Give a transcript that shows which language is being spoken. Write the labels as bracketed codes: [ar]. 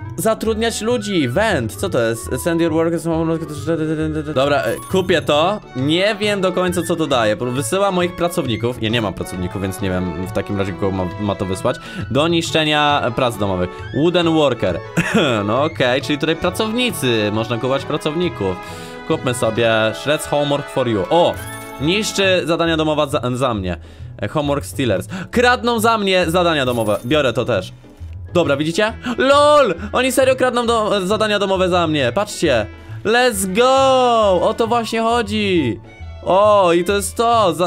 [pl] zatrudniać ludzi, vent, co to jest? [en] Send your workers. [pl] Dobra, kupię to. Nie wiem do końca, co to daje. Wysyła moich pracowników, ja nie mam pracowników, więc nie wiem, w takim razie kogo ma to wysłać. Do niszczenia prac domowych. Wooden worker. No okej, okay, czyli tutaj pracownicy. Można kupować pracowników. Kupmy sobie [en] shreds homework for you. [pl] O, niszczy zadania domowe za mnie. Homework stealers. Kradną za mnie zadania domowe, biorę to też. Dobra, widzicie? LOL! Oni serio kradną zadania domowe za mnie. Patrzcie. [en] Let's go! [pl] O to właśnie chodzi. O, i to jest to.